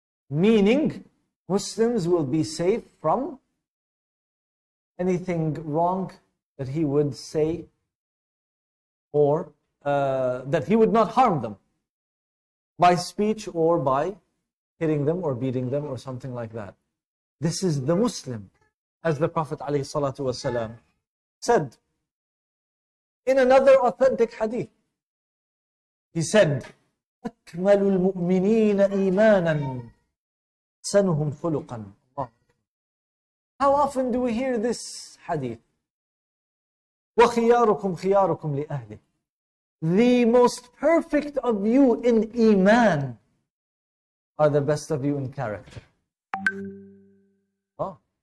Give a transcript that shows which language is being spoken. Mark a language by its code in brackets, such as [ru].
[en] Meaning, Muslims will be safe from anything wrong that he would say or that he would not harm them by speech or by hitting them or beating them or something like that. This is the Muslim, as the Prophet ﷺ said in another authentic hadith. He said, [ar] أَكْمَلُ الْمُؤْمِنِينَ إِيمَانًا أَحْسَنُهُمْ خُلُقًا. [en] How often do we hear this hadith? [ar] وَخِيَارُكُمْ خِيَارُكُمْ لِأَهْلِهِ. [en] The most perfect of you in iman are the best of you in character. Oh.